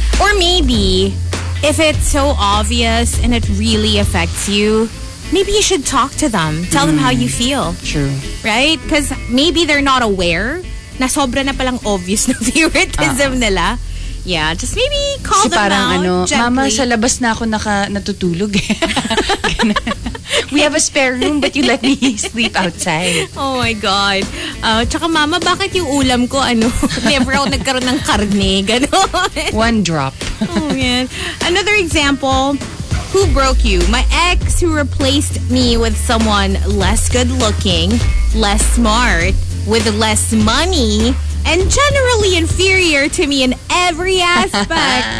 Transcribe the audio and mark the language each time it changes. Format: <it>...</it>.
<en>Or maybe if it's so obvious and it really affects you, maybe you should talk to them. Tell them how you feel. True. Right? Because maybe they're not aware</en> <tl>na sobra na palang obvious na favoritism nila.</tl> <en>Yeah, just maybe call them out. Gently.</en> <tl>Mama, sa labas na ako natutulog.</tl> <en>We have a spare room, but you let me sleep outside. Oh my God.</en> <tl>Tsaka mama, bakit yung ulam ko, never ako nagkaroon ng karne, ganun.</tl> <en>One drop. Oh man. Another example, who broke you? My ex who replaced me with someone less good looking, less smart, with less money, and generally inferior to me in every aspect.</en>